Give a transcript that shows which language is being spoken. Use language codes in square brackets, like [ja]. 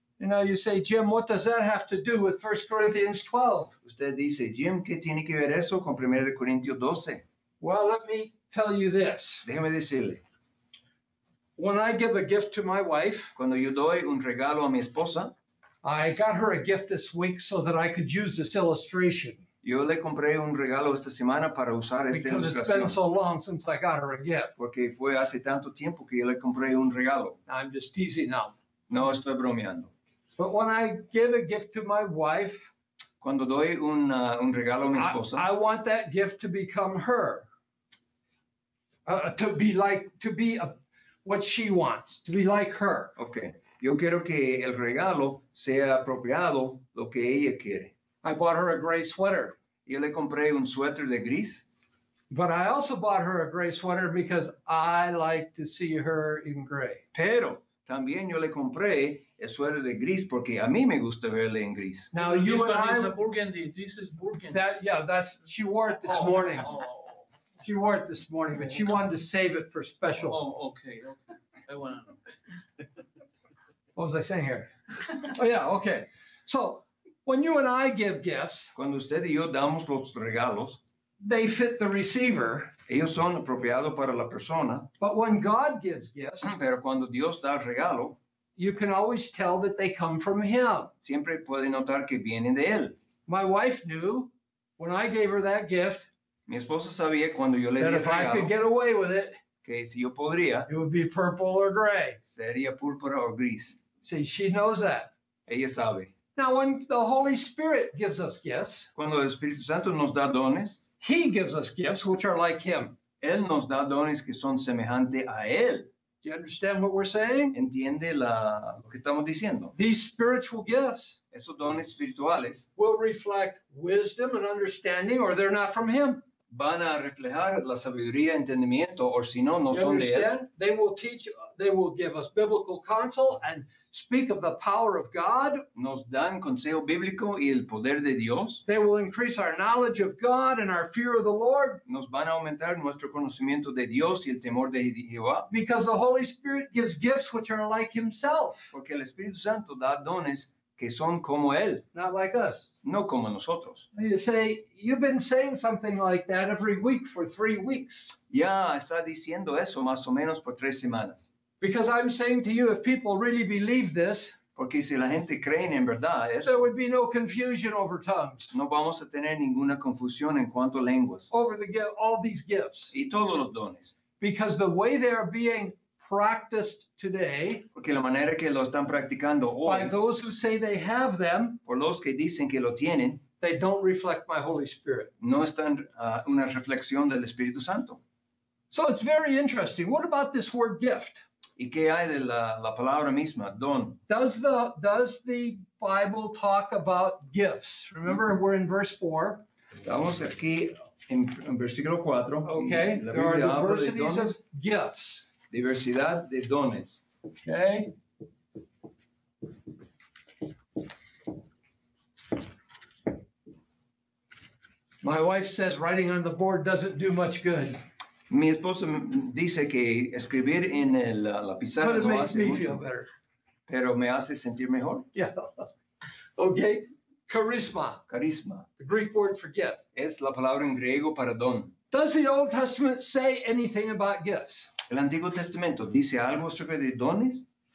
[en] And now you say, Jim, what does that have to do with 1 Corinthians 12? [es] Usted dice, Jim, ¿qué tiene que ver eso con 1 Corintios 12? [en] Well, let me tell you this. [es] Déjeme decirle. [en] When I give a gift to my wife, [es] cuando yo doy un regalo a mi esposa, [en] I got her a gift this week so that I could use this illustration. [es] Yo le compré un regalo esta semana para usar esta ilustración. [en] Because it's been so long since I got her a gift. [es] Porque fue hace tanto tiempo que yo le compré un regalo. [en] I'm just teasing now. [es] No estoy bromeando. [en] But when I give a gift to my wife, [es] cuando doy un regalo a mi esposa, [en] I want that gift to become her, to be like, to be a, what she wants, to be like her. Okay. [es] Yo quiero que el regalo sea apropiado lo que ella quiere. [en] I bought her a gray sweater. [es] Yo le compré un suéter de gris. [en] But I also bought her a gray sweater because I like to see her in gray. [es] Pero también yo le compré el suéter de gris porque a mí me gusta verle en gris. [en] Now you this one I, is a burgundy. This is burgundy. That, yeah, that's she wore it this morning. She wore it this morning, but she wanted to save it for special. Okay. I want to know. What was I saying here? Oh, yeah, okay. So, when you and I give gifts, [es] cuando usted y yo damos los regalos, [en] they fit the receiver. [es] Ellos son apropiados para la persona. [en] But when God gives gifts, [es] pero cuando Dios da regalo, [en] you can always tell that they come from him. [es] Siempre puede notar que vienen de él. [en] My wife knew when I gave her that gift. [es] Mi esposa sabía cuando yo le di el regalo. [en] That if I could get away with it. [es] Que si yo podría. [en] It would be purple or gray. [es] Sería púrpura o gris. [en] See, she knows that. [es] Ella sabe. [en] Now, when the Holy Spirit gives us gifts. [es] Cuando el Espíritu Santo nos da dones. [en] He gives us gifts which are like him. [es] Él nos da dones que son semejantes a él. [en] Do you understand what we're saying? [es] Entiende lo que estamos diciendo. [en] These spiritual gifts. [es] Esos dones espirituales. [en] Will reflect wisdom and understanding or they're not from him. [es] Van a reflejar la sabiduría, entendimiento, o si no, no son de él. [en] They will teach, they will give us biblical counsel and speak of the power of God. [es] Nos dan consejo bíblico y el poder de Dios. [en] They will increase our knowledge of God and our fear of the Lord. [es] Nos van a aumentar nuestro conocimiento de Dios y el temor de Jehová. [en] Because the Holy Spirit gives gifts which are like himself. [es] Porque el Espíritu Santo da dones que son como él. [en] Not like us. [es] No como nosotros. [en] You say, you've been saying something like that every week for 3 weeks. [es] Ya está diciendo eso más o menos por 3 semanas. [en] Because I'm saying to you, if people really believe this, [es] Porque si la gente cree en verdad, es, [en] there would be no confusion over tongues. [es] No vamos a tener ninguna confusión en cuanto a lenguas. [en] Over the, all these gifts. [es] Y todos los dones. [en] Because the way they are being practiced today, [es] porque la manera que lo están practicando hoy, [en] by those who say they have them, [es] por los que dicen que lo tienen, [en] they don't reflect my Holy Spirit. [es] No están una reflexión del Espíritu Santo. [en] So it's very interesting. What about this word gift? [es] ¿Y qué hay de la palabra misma, don? [en] Does the Bible talk about gifts? Remember, we're in verse 4. [es] Estamos aquí en versículo 4. [en] Okay, there are diversities of gifts. [es] Diversidad de dones. [en] Okay. My wife says writing on the board doesn't do much good. [es] Mi esposa dice que escribir en la pizarra no hace mucho, pero me hace sentir mejor. [en] Yeah. Okay, charisma. [es] Carisma. [en] The Greek word for gift. [es] Es la palabra en griego para don. [en] Does the Old Testament say anything about gifts? [es] ¿El Antiguo Testamento dice algo sobre de dones?